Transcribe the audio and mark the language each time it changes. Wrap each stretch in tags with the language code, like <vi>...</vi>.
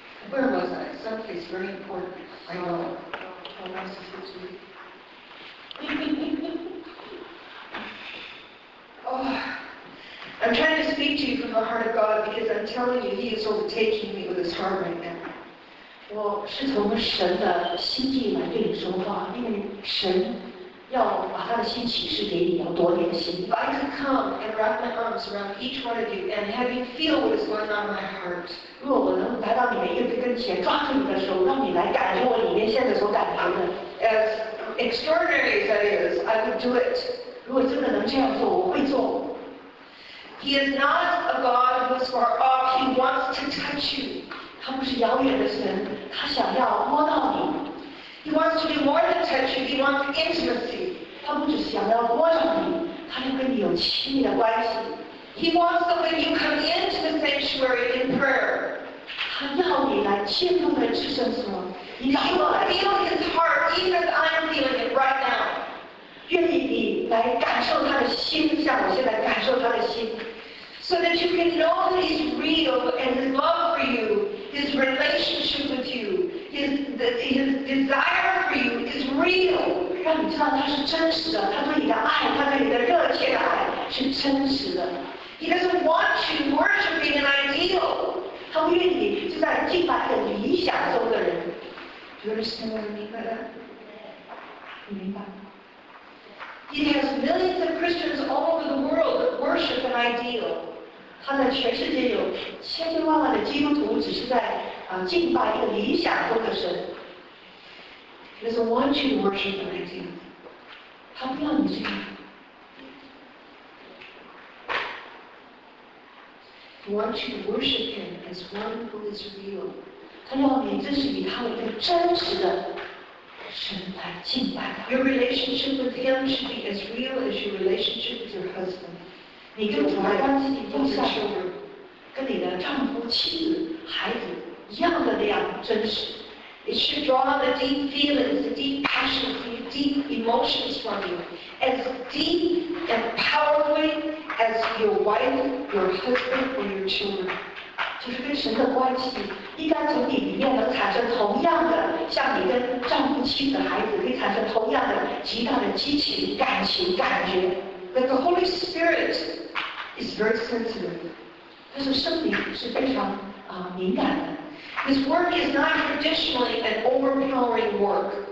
<en>Where was I? Someplace very important. I know. How nice to see you. Oh, I'm trying to speak to you from the heart of God because I'm telling you, He is overtaking me with His heart right now.</en> <zh>我是从神的心地来对你说话，因为神要把他的心启示给你，要多点心。</zh> <en>If I could come and wrap my arms around each one of you and have you feel what is going on in my heart.</en> <zh>如果我能来到你们一个跟前，抓住你的手，让你来感觉我里面现在所感觉的。</zh> <en>As extraordinary as that is, I would do it.</en> <zh>如果真的能这样做，我会做。</zh> <en>He is not a God who is far off. He wants to touch you.</en> <zh>他不是遥远的神，他想要摸到你。</zh> <en>He wants to be more than touch you. He wants intimacy.</en> <zh>他不只想要摸上你，他要跟你有亲密的关系。</zh> <en>He wants that when you come into the sanctuary in prayer,</en> <zh>他要你来进入的至圣所。你让我</zh> <en>feel his heart, even as I am feeling it right now.</en> <zh>愿意你来感受他的心，像我现在感受他的心。</zh> <en>So that you can know that he's real and his love for you, his relationship with you. His desire for you is real.</en> <zh>让你知道他是真实的，他对你的爱，他对你的热切的爱是真实的。</zh> <en>He doesn't want you worshiping an ideal.</en> <zh>他不愿意就在敬拜一个理想中的人。</zh> <en>Do you understand what I mean by that?</en> <zh>你明白吗？</zh> <en>He has millions of Christians all over the world that worship an ideal.</en> <zh>他在全世界有千千万万的基督徒，只是在敬拜一个理想中的神。</zh> <en>He doesn't want you to worship an ideal.</en> <zh>他不要你这样。</zh> <en>He wants you to worship him as one who is real.</en> <zh>他要你真是以他为一个真实的。神来敬拜他。</zh> <en>Your relationship with him should be as real as your relationship with your husband.</en> <zh>你跟我的关系就像跟你的丈夫、妻子、孩子一样的那样真实。</zh> <en>It should draw the deep feelings, the deep passions, the deep emotions from you, as deep and powerfully as your wife, your husband, or your children.</en> <zh>就是跟神的关系。应该从你里面能产生同样的，像你跟丈夫、妻子、孩子可以产生同样的极大的激情、感情、感觉。</zh> <en>That the Holy Spirit is very sensitive.</en> <zh>但是圣灵是非常敏感的。</zh> <en>His work is not traditionally an overpowering work.</en>